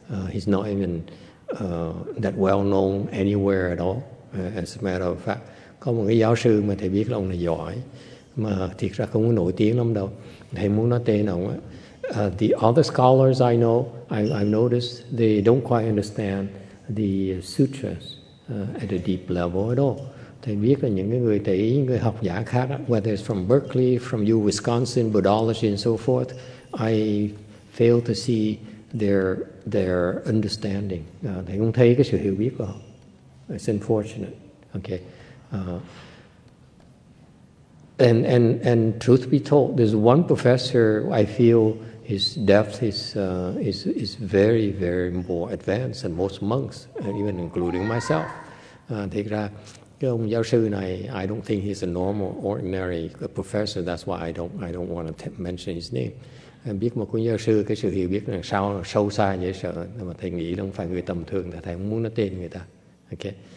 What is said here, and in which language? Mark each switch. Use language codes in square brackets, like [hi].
[en] He's not even that well known anywhere at all. As a matter of fact, [vi] có một cái giáo sư mà thầy biết là ông này giỏi, mà thiệt ra không có nổi tiếng lắm đâu. Thầy muốn nói tên ông á. [en] The other scholars I know, I've noticed they don't quite understand the sutras at a deep level at all. [vi] Thầy biết là những cái người thầy, những người học giả khác, [en] whether it's from Berkeley, from U Wisconsin, Buddhology and so forth, I fail to see their understanding. [vi] Thầy không thấy cái sự hiểu biết của họ. [en] It's unfortunate. Okay. And truth be told, there's one professor I feel his depth is very, very more advanced than most monks, even including myself. [vi] Thực ra, cái ông giáo sư này, [en] I don't think he's a normal, ordinary professor. That's why I don't want to mention his name. [vi] Em biết một cuốn giáo sư, cái sự hiểu biết là sao sâu xa dễ sợ. Nhưng mà thầy nghĩ là không phải người tầm thường, thầy không muốn nói tên người ta. Okay.